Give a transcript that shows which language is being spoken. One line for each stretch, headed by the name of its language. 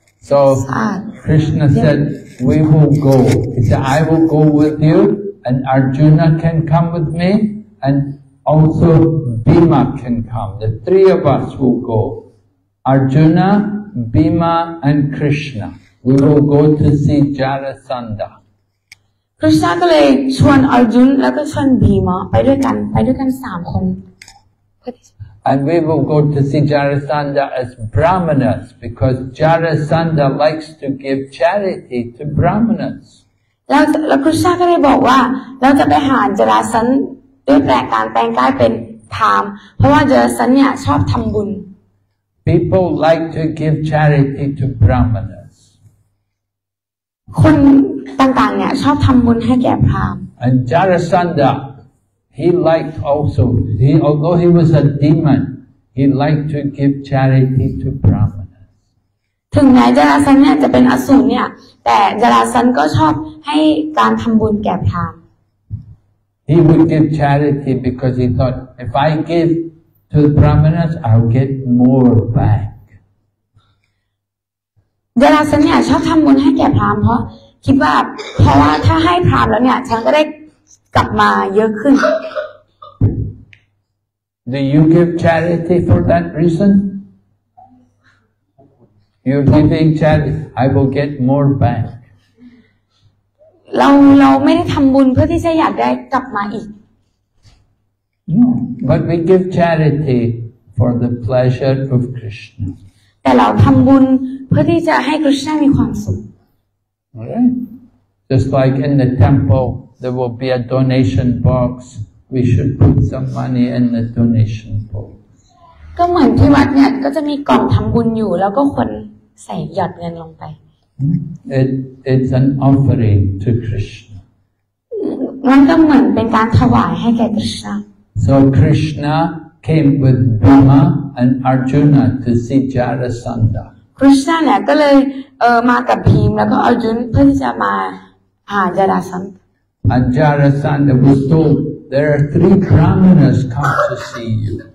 English: So Krishna said, "We will go." He said, "I will go with you, and Arjuna can come with me, and also Bhima can come. The three of us will go: Arjuna, Bhima, and Krishna. We will go to see Jarasandha."
Thai: Krishna ก็เลยชวน Arjuna แล้วก็ชวน Bhima ไปด้วยกัน3คน
English: And we will go to see Jarasandha as Brahmanas, because Jarasandha likes to give charity to Brahmanas.
Thai: แล้วครูชาก็ได้บอกว่าเราจะไปหาจาราสันด้วยแปลการแปลงกายเป็นพราหมณ์เพราะว่าจาราสันเนี่ยชอบทำบุญ
English: People like to give charity to Brahmanas.
Thai: คนต่างๆเนี่ยชอบทำบุญให้แก่พราหมณ์
English: And Jarasandha, he liked also, although he was a demon, he liked to give charity to Brahmanas.
Thai: ถึงแม้จาราสันเนี่ยจะเป็นอสูรเนี่ยแต่จาราสันก็ชอบให้การทำบุญแก่พราหมณ์
English: He would give charity because he thought, if I give to the Brahmanas, I'll get more back.
Thai: จาราสันเนี่ยชอบทำบุญให้แก่พราหมณ์เพราะว่าถ้าให้พราหมณ์แล้วเนี่ยฉันก็ได้กลับมาเยอะขึ้น
English: Do you give charity for that reason? You're giving charity, I will get more back.
Thai: เราไม่ได้ทำบุญเพื่อที่จะอยากได้กลับมาอีก
English: But we give charity for the pleasure of Krishna.
Thai: แต่เราทำบุญเพื่อที่จะให้ Krishna มีความสุข
English: Just like in the temple, there will be a donation box. We should put some money in the donation box.
Thai: ก็เหมือนที่วัดเนี่ยก็จะมีกล่องทำบุญอยู่แล้วก็คนใส่หยอดเงินลงไป
English: It's an offering to Krishna
Thai: มันก็เหมือนเป็นการถวายให้แก่ Krishna
English: So Krishna came with Bhima and Arjuna to see Jarasandha
Thai: Krishna เนี่ยก็เลยมากับพีมแล้วก็อาร์จุนเพื่อที่จะมาหาจาราสันธ์
English: And Jarasandha was told there are three Brahmanas come to see you